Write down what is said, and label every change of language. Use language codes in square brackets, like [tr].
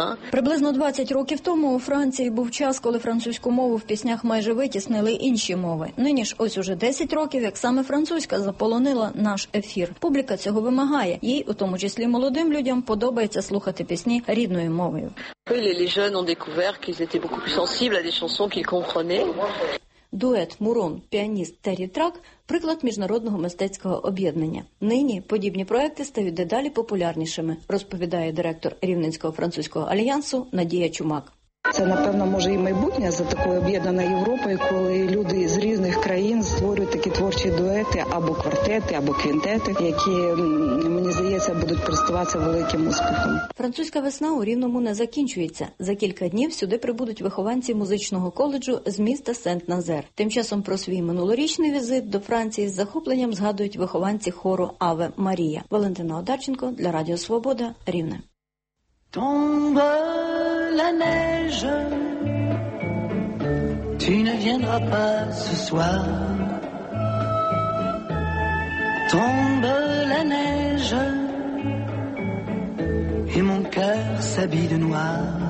[uk] Приблизно 20 років тому у Франції був час, коли французьку мову в піснях майже витіснили інші мови. Нині ж ось уже 10 років, як саме французька заполонила наш ефір. Публіка цього вимагає. Їй, у тому числі молодим людям, подобається слухати пісні рідною мовою. [fr] Les jeunes ont découvert qu'ils étaient beaucoup plus sensibles à des chansons qu'ils comprenaient. [uk] Дует Мурон, піаніст Террі Трак – приклад міжнародного мистецького об'єднання. Нині подібні проекти стають дедалі популярнішими, розповідає директор Рівненського французького альянсу Надія Чумак. Це, напевно, може і майбутнє за такою об'єднаною Європою, коли люди з різних країн створюють такі творчі дуети або квартети, або квінтети, які, мені здається, будуть користуватися великим успіхом. Французька весна у Рівному не закінчується. За кілька днів сюди прибудуть вихованці музичного коледжу з міста Сент-Назер. Тим часом про свій минулорічний візит до Франції з захопленням згадують вихованці хору «Аве Марія». Валентина Одарченко для Радіо Свобода, Рівне. [fr] Tombe la neige, tu ne viendras pas ce soir. Tombe la neige, et mon cœur s'habille de noir.